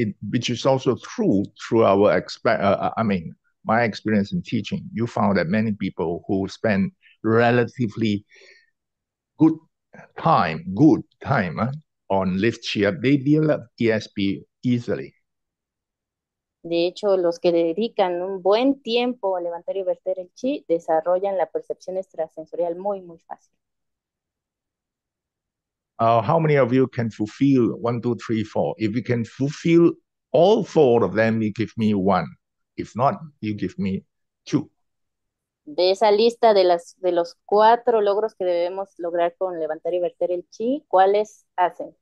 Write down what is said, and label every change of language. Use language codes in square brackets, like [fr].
[en] Which is also true through our my experience in teaching. You found that many people who spend relatively good time, on lift chair, they develop ESP easily. [es] De hecho, los que dedican un buen tiempo a levantar y verter el chi desarrollan la percepción extrasensorial muy, muy fácil. [en] How many of you can fulfill one, two, three, four? If you can fulfill all four of them, you give me one. If not, you give me two. [es] De esa lista de los cuatro logros que debemos lograr con levantar y verter el chi, ¿cuáles hacen?